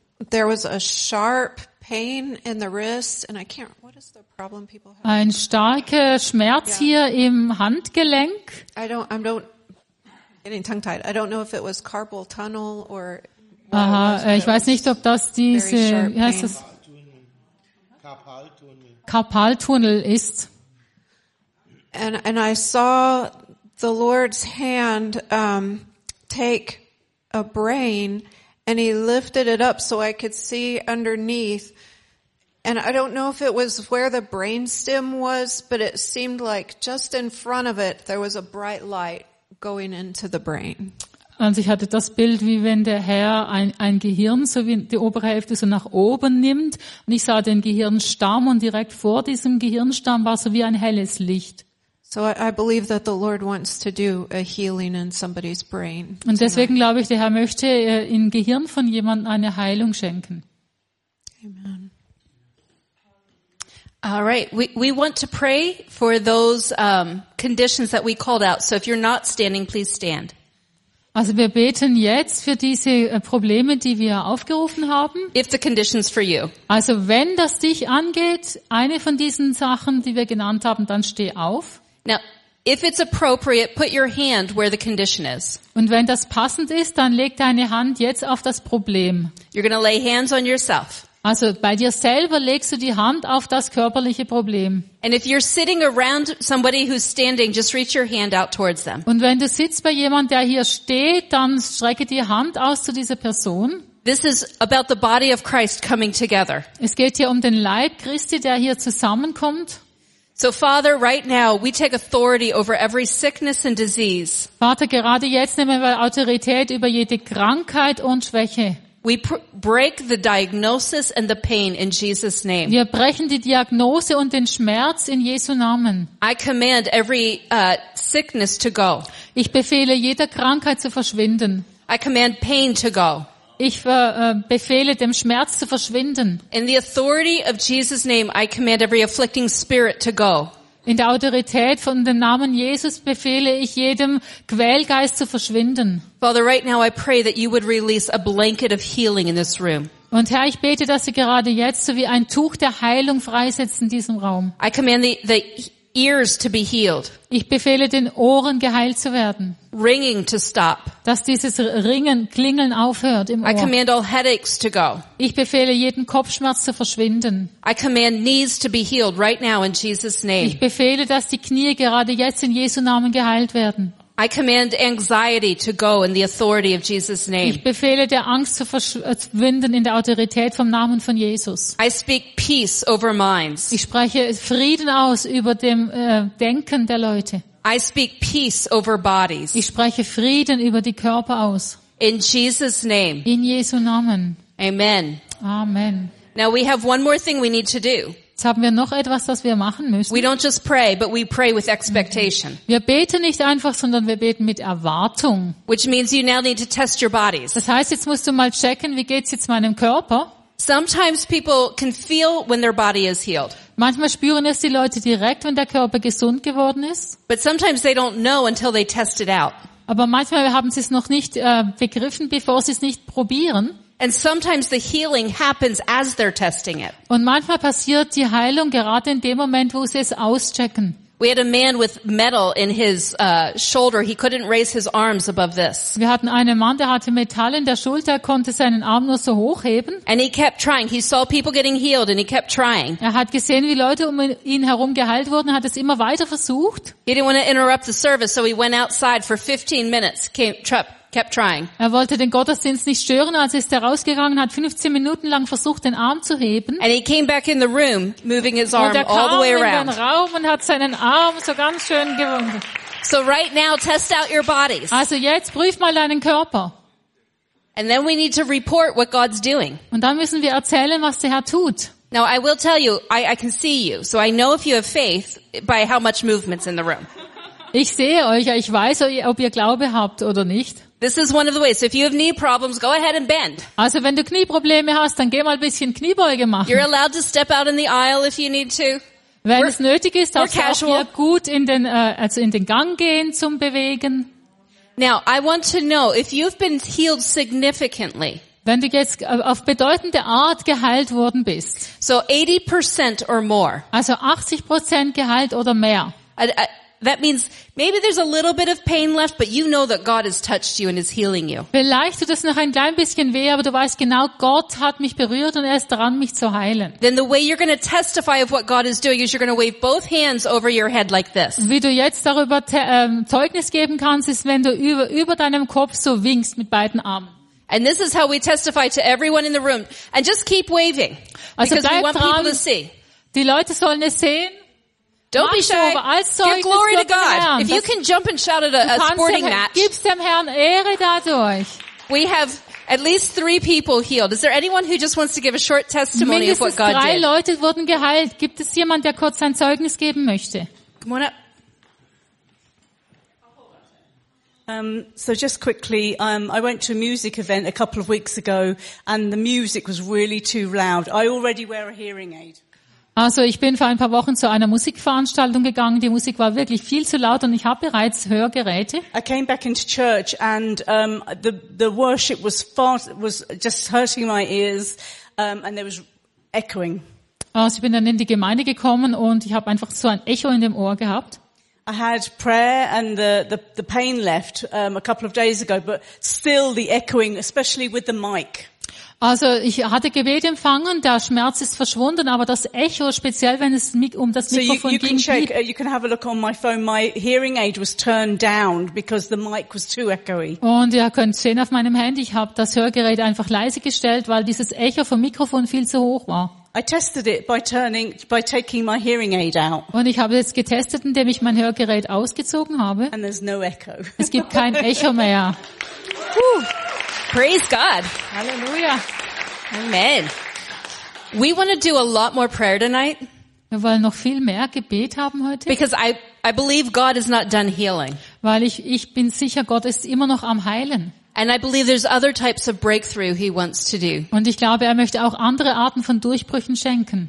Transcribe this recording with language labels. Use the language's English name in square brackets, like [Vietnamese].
[English] There was a sharp pain in the wrist, and I can't. What is the problem people have? [German] Ein starker Schmerz hier im Handgelenk. [English] I'm getting tongue-tied. I don't know if it was carpal tunnel or. [German] Aha, ich weiß nicht, ob das diese, wie heißt das? Karpaltunnel ist. [English] And I saw the Lord's hand take a brain and he lifted it up so I could see underneath. And I don't know if it was where the brain stem was, but it seemed like just in front of it there was a bright light going into the brain. [German] Also ich hatte das Bild, wie wenn der Herr ein Gehirn, so wie die obere Hälfte, so nach oben nimmt. Und ich sah den Gehirnstamm und direkt vor diesem Gehirnstamm war so wie ein helles Licht. [English] So I believe that the Lord wants to do a healing in somebody's brain. [German] Und deswegen glaube ich, der Herr möchte im Gehirn von jemandem eine Heilung schenken. [English] Amen. All right, we want to pray for those conditions that we called out. So if you're not standing, please stand. [German] Also wir beten jetzt für diese Probleme, die wir aufgerufen haben. [English] If the conditions for you. [German] Also wenn das dich angeht, eine von diesen Sachen, die wir genannt haben, dann steh auf. [English] Now, if it's appropriate, put your hand where the condition is. [German] Und wenn das passend ist, dann leg deine Hand jetzt auf das Problem. [English] You're gonna lay hands on yourself. [German] Also bei dir selber legst du die Hand auf das körperliche Problem. [English] And if you're sitting around somebody who's standing, just reach your hand out towards them. [German] Und wenn du sitzt bei jemand, der hier steht, dann strecke die Hand aus zu dieser Person. [English] This is about the body of Christ coming together. [German] Es geht hier um den Leib Christi, der hier zusammenkommt. [English] So Father, right now we take authority over every sickness and disease. [German] Vater, gerade jetzt nehmen wir Autorität über jede Krankheit und Schwäche. [English] We break the diagnosis and the pain in Jesus' name. [German] Wir brechen die Diagnose und den Schmerz in Jesu Namen. [English] I command every sickness to go. [German] Ich befehle jeder Krankheit zu verschwinden. [English] I command pain to go. [German] Ich befehle dem Schmerz zu verschwinden. [English] In the authority of Jesus' name, I command every afflicting spirit to go. [German] In der Autorität von dem Namen Jesus befehle ich jedem Quälgeist zu verschwinden. [English] Father, right now I pray that you would release a blanket of healing in this room. [German] Und Herr, ich bete, dass Sie gerade jetzt so wie ein Tuch der Heilung freisetzen in diesem Raum. [English] I command the ears to be healed. [German] Ich befehle den Ohren geheilt zu werden. [English] Ringing to stop. [German] Dass dieses Ringen, Klingeln aufhört im Ohr. [English] I command all headaches to go. [German] Ich befehle jeden Kopfschmerz zu verschwinden. [English] I command knees to be healed right now in Jesus' name. [German] Ich befehle, dass die Knie gerade jetzt in Jesu Namen geheilt werden. [English] I command anxiety to go in the authority of Jesus' name. [German] Ich befehle der Angst zu verschwinden in der Autorität vom Namen von Jesus. [English] I speak peace over minds. [German] Ich spreche Frieden aus über dem Denken der Leute. [English] I speak peace over bodies. [German] Ich spreche Frieden über die Körper aus. [English] In Jesus' name. [German] In Jesu Namen. [English] Amen. [German] Amen. [English] Now we have one more thing we need to do. [German] Jetzt haben wir noch etwas, das wir machen müssen. [English] We don't just pray, but we pray with expectation. [German] Wir beten nicht einfach, sondern wir beten mit Erwartung. [English] Which means you now need to test your bodies. [German] Das heißt, jetzt musst du mal checken, wie geht's jetzt meinem Körper? [English] Sometimes people can feel when their body is healed. [German] Manchmal spüren es die Leute direkt, wenn der Körper gesund geworden ist. [English] But sometimes they don't know until they test it out. [German] Aber manchmal haben sie es noch nicht begriffen, bevor sie es nicht probieren. [English] And sometimes the healing happens as they're testing it. [German] Und manchmal passiert die Heilung gerade in dem Moment, wo sie es auschecken. [English] We had a man with metal in his shoulder. He couldn't raise his arms above this. [German] Wir hatten einen Mann, der hatte Metall in der Schulter, konnte seinen Arm nur so hochheben. [English] And he kept trying. He saw people getting healed and he kept trying. [German] Er hat gesehen, wie Leute um ihn herum geheilt wurden, hat es immer weiter versucht. [English] He didn't want to interrupt the service, so he went outside for 15 minutes. Kept trying. [German] Er wollte den Gottesdienst nicht stören, also ist er rausgegangen, hat 15 Minuten lang versucht, den Arm zu heben. [English] And he came back in the room, moving his arm all the way around. [German] Und er kam in den Raum und hat seinen Arm so ganz schön gewunden. [English] So right now, test out your bodies. [German] Also jetzt prüf mal deinen Körper. [English] And then we need to report what God's doing. [German] Und dann müssen wir erzählen, was der Herr tut. [English] Now I will tell you, I can see you, so I know if you have faith by how much movement's in the room. [German] Ich sehe euch, ich weiß, ob ihr Glaube habt oder nicht. [English] This is one of the ways. So if you have knee problems, go ahead and bend. [German] Also, wenn du Knieprobleme hast, dann geh mal ein bisschen Kniebeuge machen. [English] You're allowed to step out in the aisle if you need to. [German] Wenn es nötig ist, darfst du auch hier gut in den Gang gehen zum Bewegen. [English] Now, I want to know if you've been healed significantly. [German] Wenn du jetzt auf bedeutende Art geheilt worden bist. [English] So 80% or more. [German] Also 80% geheilt oder mehr. [English] That means maybe there's a little bit of pain left, but you know that God has touched you and is healing you. [German] Vielleicht tut es noch ein klein bisschen weh, aber du weißt genau, Gott hat mich berührt und er ist dran, mich zu heilen. [English] Then the way you're going to testify of what God is doing is you're going to wave both hands over your head like this. [German] Wie du jetzt darüber Zeugnis geben kannst, ist, wenn du über deinem Kopf so winkst mit beiden Armen. [English] And this is how we testify to everyone in the room. And just keep waving, also because we want dran, people to see. [German] Die Leute sollen es sehen. [English] Don't be shy. Give glory to God. If you can jump and shout at a sporting match. [German] Gib's dem Herrn Ehre dadurch. [English] We have at least 3 people healed. Is there anyone who just wants to give a short testimony of what God did? [German] Mindestens 3 Leute wurden geheilt. Gibt es jemand, der kurz sein Zeugnis geben möchte? [English] Come on up. So just quickly, I went to a music event a couple of weeks ago and the music was really too loud. I already wear a hearing aid. [German] Also ich bin vor ein paar Wochen zu einer Musikveranstaltung gegangen. Die Musik war wirklich viel zu laut und ich habe bereits Hörgeräte. [English] I came back into church and the worship was just hurting my ears and there was echoing. [German] Also ich bin dann in die Gemeinde gekommen und ich habe einfach so ein Echo in dem Ohr gehabt. [English] I had prayer and the pain left a couple of days ago, but still the echoing, especially with the mic. [German] Also ich hatte Gebet empfangen, der Schmerz ist verschwunden, aber das Echo, speziell wenn es um das Mikrofon ging, [English] you can have a look on my phone. My hearing aid was turned down because the mic was too echoey. [German] Und ihr könnt sehen auf meinem Handy, ich habe das Hörgerät einfach leise gestellt, weil dieses Echo vom Mikrofon viel zu hoch war. [English] I tested it by taking my hearing aid out. [German] Und ich habe es getestet, indem ich mein Hörgerät ausgezogen habe. [English] And there's no echo. [German] Es gibt kein Echo mehr. [English] Praise God. [German] Hallelujah. [English] Amen. We want to do a lot more prayer tonight. [German] Wir wollen noch viel mehr Gebet haben heute. [English] Because I believe God is not done healing. [German] Weil ich bin sicher, Gott ist immer noch am Heilen. [English] And I believe there's other types of breakthrough he wants to do. [German] Und ich glaube, er möchte auch andere Arten von Durchbrüchen schenken.